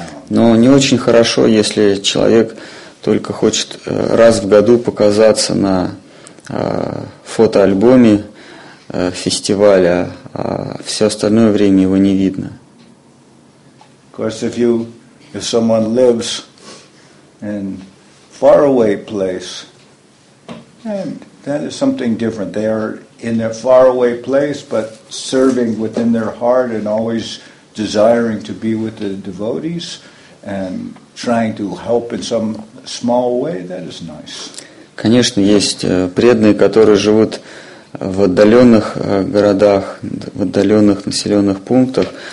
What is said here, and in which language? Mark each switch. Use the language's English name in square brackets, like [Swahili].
[Russian] Но не очень хорошо, если человек только хочет раз в году показаться на фотоальбоме фестиваля, а все остальное время его не видно. [English] Of course, if someone lives in a faraway place, and that is something different. They are in a faraway place, but serving within their heart and always desiring to be with the devotees and trying to help in some small way, that is nice. [Russian] Конечно, есть преданные, которые живут в отдаленных городах, в отдаленных населенных пунктах.